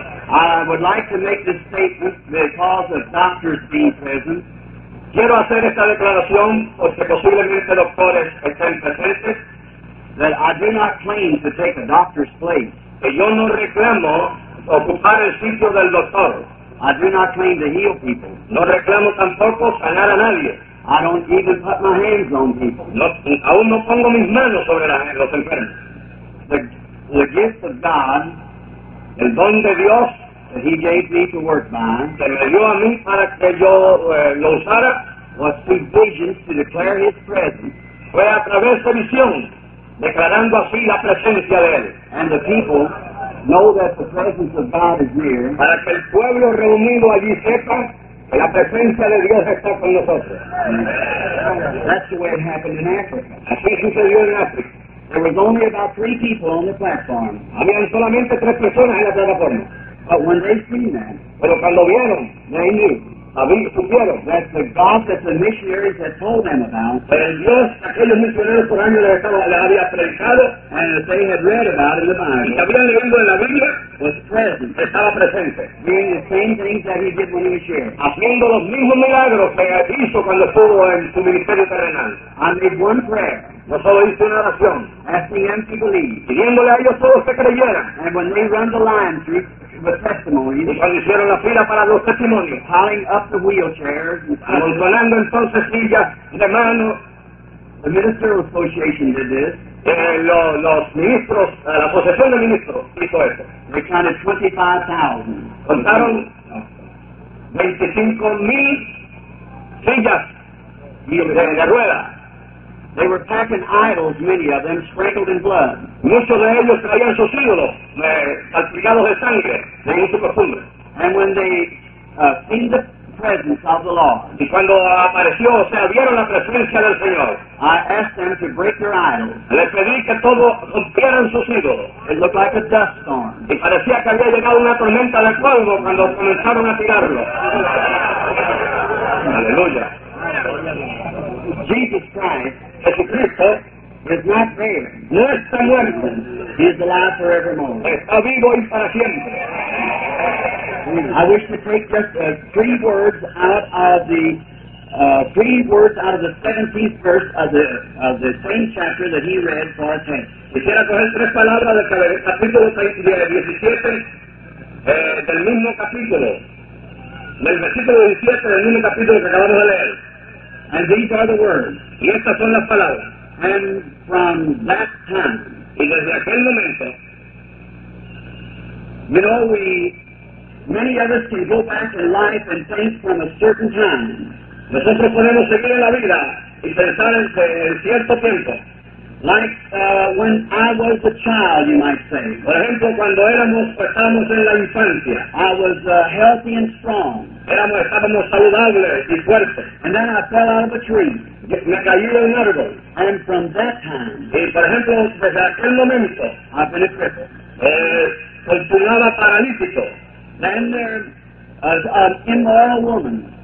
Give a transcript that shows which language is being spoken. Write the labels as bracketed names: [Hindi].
[English] I would like to make this statement because of doctors being present. [Spanish] Quiero hacer esta declaración porque posiblemente doctores estén presentes. [English] That I do not claim to take a doctor's place. [Spanish] Que yo no reclamo ocupar el sitio del doctor. [English] I do not claim to heal people. [Spanish] No reclamo tampoco sanar a nadie. [English] I don't even put my hands on people. [Spanish] Aún no pongo mis manos sobre los enfermos. [English] The gift of God, [Spanish] el don de Dios, [English] that he gave me to work by, [Spanish] que me dio a mí para que yo lo usara, [English] was through visions to declare his presence. [Spanish] Fue a través de visión, declarando así la presencia de él. [English] And the people know that the presence of God is near. [Spanish] Para que el pueblo reunido allí sepa que la presencia de Dios está con nosotros. [English] That's the way it happened in Africa. [Spanish] Así sucedió en África. [English] There was only about three people on the platform. [Spanish] Habían solamente tres personas en la plataforma. [English] But when they seen that, [Spanish] pero cuando vieron, [English] they knew. [Spanish] Supieron. [English] That's the God that the missionaries had told them about. [Spanish] Pero el Dios, aquellos misioneros por años les había predicado. [English] And that they had read about in the Bible. [Spanish] Y que habían leído en la Biblia. [English] Was present. [Spanish] Estaba presente. [English] Doing the same things that he did when he was here. [Spanish] Haciendo los mismos milagros que hizo cuando estuvo en su ministerio terrenal. [English] I made one prayer. [Spanish] No solo hice una oración. [English] Asking them to believe. [Spanish] Pidiéndole a ellos todos que creyeran. [English] And when they run the line through the testimony, [Spanish] y cuando hicieron la fila para los testimonios, [English] piling up the wheelchairs, [Spanish] amontonando entonces sillas de mano, [English] the ministerial association did this. [Spanish] Los ministros, la asociación de ministros hizo esto. [English] They counted 25,000. [Spanish] Contaron 25,000 sillas de rueda. [English] They were packing idols, many of them, sprinkled in blood. [Spanish] Muchos de ellos traían sus ídolos, salpicados de sangre, en su costumbre. [English] And when they seen the presence of the Lord, [Spanish] y cuando apareció, o sea, vieron la presencia del Señor, [English] I asked them to break their idols. [Spanish] Les pedí que todos rompieran sus ídolos. [English] It looked like a dust storm. [Spanish] Y parecía que había llegado una tormenta de polvo cuando comenzaron a tirarlo. Aleluya. [English] Jesus Christ, [Spanish] Jesucristo, [English] is not dead. [Spanish] No está muerto. [English] He is alive forevermore. [Spanish] Está vivo y para siempre. [English] I wish to take just three words out of the three words out of the 17th verse of the same chapter that he read for us. [Spanish] Quisiera coger tres palabras del capítulo 17 del mismo capítulo, del versículo 17 del mismo capítulo que acabamos de leer. [English] And these are the words. [Spanish] Y estas son las palabras. [English] And from that time. [Spanish] Y desde aquel momento. [English] You know, we, many of us can go back in life and think from a certain time. [Spanish] Nosotros podemos seguir en la vida y pensar en cierto tiempo. [English] Like when I was a child, you might say. [Spanish] Por ejemplo, cuando éramos, estábamos en la infancia. [English] I was healthy and strong. [Spanish] Estábamos saludables y fuertes. [English] And then I fell out of a tree. [Spanish] Me caí de un árbol. [English] And from that time. [Spanish] Y por ejemplo, desde aquel momento. [English] I've been a cripple. [Spanish] Continuaba paralítico. [English] Then there was an immoral woman.